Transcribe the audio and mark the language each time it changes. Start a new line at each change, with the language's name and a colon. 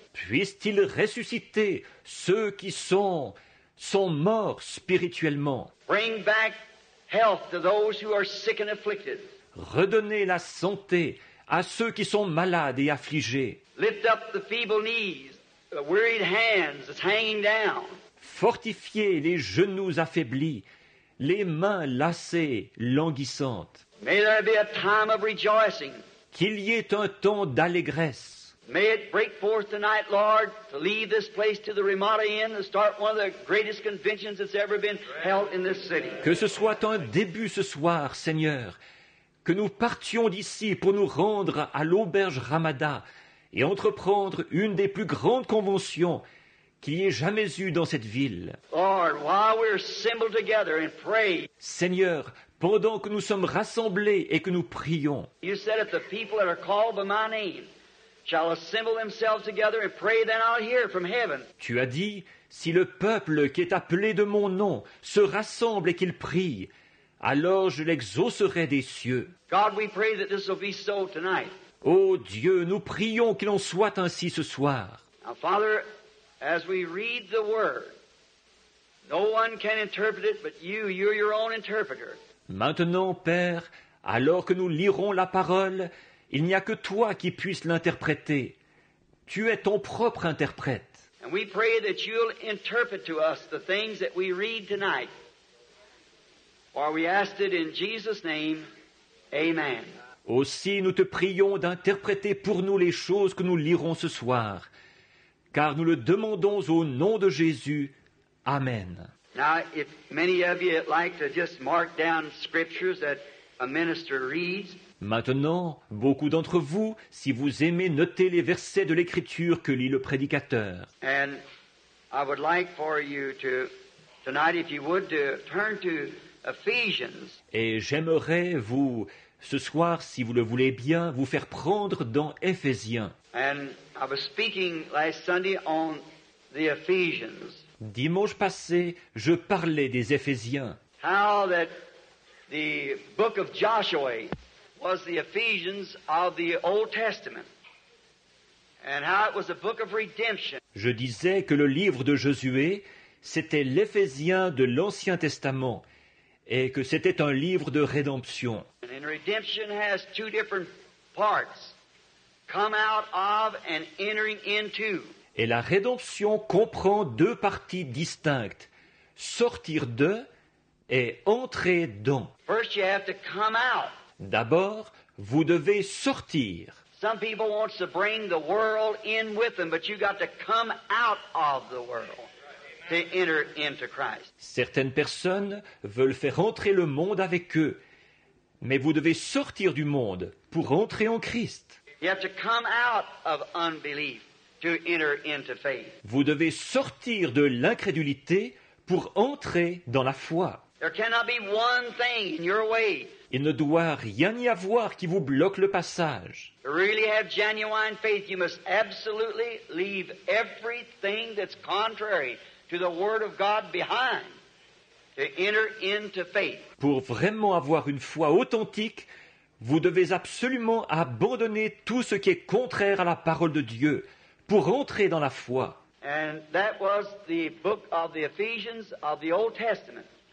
French: Puisse-t-il ressusciter ceux qui sont morts spirituellement.
English: Bring back health to those who are sick and afflicted.
French: Redonnez la santé à ceux qui sont malades et affligés.
English: Lift up the feeble knees, the wearied hands that's hanging down.
French: Fortifiez les genoux affaiblis, les mains lassées, languissantes.
English: May there be a time of rejoicing.
French: Qu'il y ait un temps d'allégresse.
English: May it break forth tonight, Lord, to leave this place to the Ramada Inn and start one of the greatest conventions that's ever been held in this city.
French: Que ce soit un début ce soir, Seigneur, que nous partions d'ici pour nous rendre à l'auberge Ramada et entreprendre une des plus grandes conventions qu'il y ait jamais eue dans cette ville.
English: Lord, while we're assembled together and pray.
French: Seigneur, pendant que nous sommes rassemblés et que nous prions.
English: You said that the people that are called by my name shall assemble themselves together and pray, then I'll hear from heaven.
French: Tu as dit, si le peuple qui est appelé de mon nom se rassemble et qu'il prie, alors je l'exaucerai des cieux.
English: God, we pray that this will be so tonight.
French: Oh Dieu, nous prions qu'il en soit ainsi ce soir.
English: Now, Father, as we read the word, no one can interpret it but you. You're your own interpreter.
French: Maintenant, Père, alors que nous lirons la parole, il n'y a que toi qui puisses l'interpréter. Tu es ton propre interprète.
English: And we pray that you'll interpret to us the things that we read tonight. For we ask it in Jesus' name. Amen.
French: Aussi, nous te prions d'interpréter pour nous les choses que nous lirons ce soir. Car nous le demandons au nom de Jésus. Amen.
English: Now, if many of you like to just mark down scriptures that a minister reads.
French: Maintenant, beaucoup d'entre vous, si vous aimez noter les versets de l'Écriture que lit le prédicateur.
English: And I would like for you to, tonight, if you would, to turn to Ephesians.
French: Et j'aimerais vous, ce soir, si vous le voulez bien, vous faire prendre dans Éphésiens.
English: And I was speaking last Sunday on the Ephesians.
French: Dimanche passé, je parlais des Éphésiens.
English: How that the book of Joshua was the Ephesians of the Old Testament, and how it was a book of redemption.
French: Je disais que le livre de Josué, c'était l'Éphésien de l'Ancien Testament, et que c'était un livre de rédemption.
English: And redemption has two different parts, come out of and entering into.
French: Et la rédemption comprend deux parties distinctes, sortir de et entrer dans.
English: First, you have to come out.
French: D'abord, vous devez sortir.
English: Some people want to bring the world in with them, but you got to come out of the world to enter into Christ.
French: Certaines personnes veulent faire entrer le monde avec eux, mais vous devez sortir du monde pour entrer en Christ.
English: You have to come out of unbelief to enter into faith.
French: Vous devez sortir de l'incrédulité pour entrer dans la foi.
English: There cannot be one thing in your way.
French: Il ne doit rien y avoir qui vous bloque le passage.
English: To really have genuine faith, you must absolutely leave everything that's contrary to the Word of God behind to enter into faith.
French: Pour vraiment avoir une foi authentique, vous devez absolument abandonner tout ce qui est contraire à la parole de Dieu pour entrer dans la foi.
English: And that was the book of the Ephesians of the Old Testament.